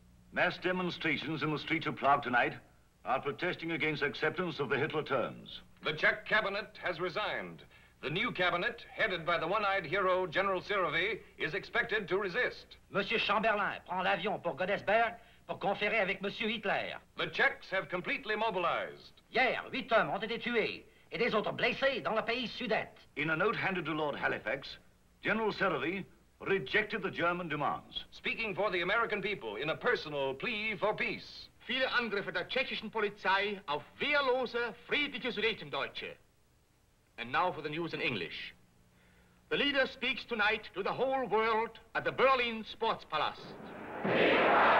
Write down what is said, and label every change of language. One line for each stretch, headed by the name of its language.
English: Mass demonstrations in the streets of Prague tonight are protesting against acceptance of the Hitler terms. The Czech cabinet has resigned. The new cabinet, headed by the one-eyed hero, General Serovy, is expected to resist.
French: Monsieur Chamberlain, prend l'avion pour Godesberg pour conférer avec Monsieur Hitler.
English: The Czechs have completely mobilized.
French: Hier, 8 hommes ont été tués et des autres blessés dans le pays sudet.
English: In a note handed to Lord Halifax, General Serovy rejected the German demands. Speaking for the American people in a personal plea for peace.
German: Viele Angriffe der tschechischen Polizei auf wehrlose, friedliche Sudetendeutsche.
English: And now for the news in English. The leader speaks tonight to the whole world at the Berlin Sports Palace.